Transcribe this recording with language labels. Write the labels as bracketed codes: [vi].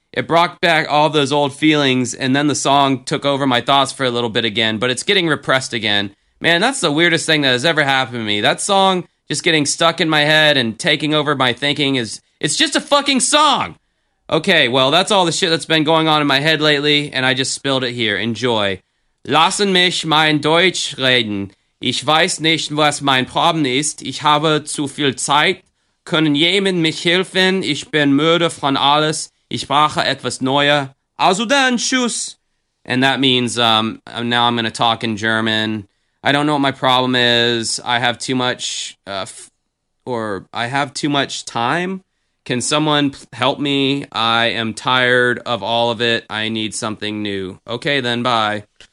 [en] It brought back all those old feelings, and then the song took over my thoughts for a little bit again, but it's getting repressed again. Man, that's the weirdest thing that has ever happened to me. That song just getting stuck in my head and taking over my thinking is, it's just a fucking song. Okay, well, that's all the shit that's been going on in my head lately, and I just spilled it here. Enjoy. [de] Lassen mich mein Deutsch reden. Ich weiß nicht, was mein Problem ist. Ich habe zu viel Zeit. Können jemand mich helfen? Ich bin müde von alles. Ich brauche etwas Neues. Also dann, tschüss. [en] And that means, now I'm going to talk in German. I don't know what my problem is. I have too much, I have too much time. Can someone help me? I am tired of all of it. I need something new. Okay, then, bye.